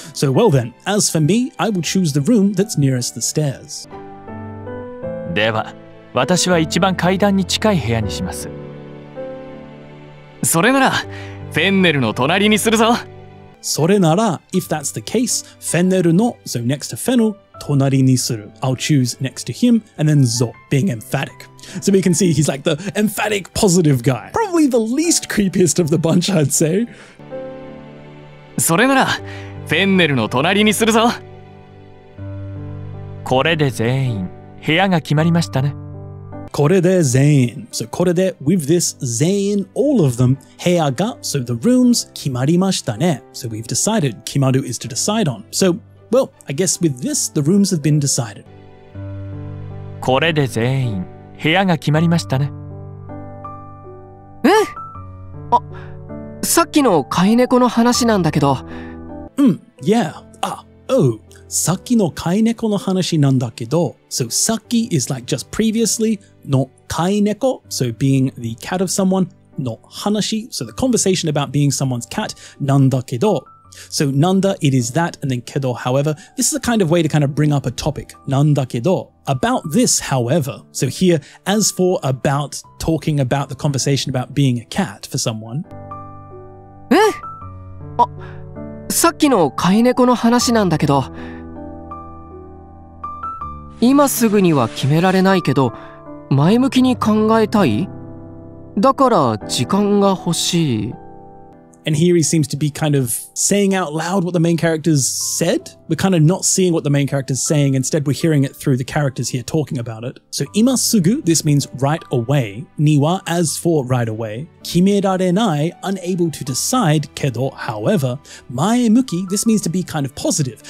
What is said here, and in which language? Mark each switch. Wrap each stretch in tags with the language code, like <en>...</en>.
<en>So well then, as for me, I will choose the room that's nearest the stairs.</en> <ja>では、私は一番階段に近い部屋にします。それなら、フェンネルの隣にするぞ。それなら、</ja> <en>if that's the case,</en> <ja>フェンネルの、</ja> <en>so next to Fennel,</en> <ja>隣にする。</ja> <en>I'll choose next to him, and then ぞ、being emphatic. So we can see he's like the emphatic positive guy. Probably the least creepiest of the bunch, I'd say.</en> <ja>それなら、フェンネルの隣にするぞ。これで全員、部屋が決まりましたね。これで全員。</ja> <en>So これで with this 全員 all of them 部屋が so the rooms</en> <ja>決まりましたね。</ja> <en>So we've decided 決まる is to decide on. So well, I guess with this the rooms have been decided.</en> <ja>これで全員部屋が決まりましたね。え？あ、さっきの飼い猫の話なんだけど。うん、yeah. Ah, oh. さっきの飼い猫の話なんだけど、</ja> <en>so さっき is like just previously の飼い猫、so being the cat of someone の話、so the conversation about being someone's cat なんだけど、so なんだ it is that and then けど however this is a kind of way to kind of bring up a topic なんだけど about this however so here as for about talking about the conversation about being a cat for someone。え？</en> <ja>あ、さっきの飼い猫の話なんだけど。今すぐには決められないけど、前向きに考えたい。だから時間が欲しい。</ja> <en>And here he seems to be kind of saying out loud what the main characters said. We're kind of not seeing what the main characters saying. Instead, we're hearing it through the characters here talking about it. So, 今すぐ this means right away. には as for right away. 決められない unable to decide. けど however, 前向き this means to be kind of positive.</en>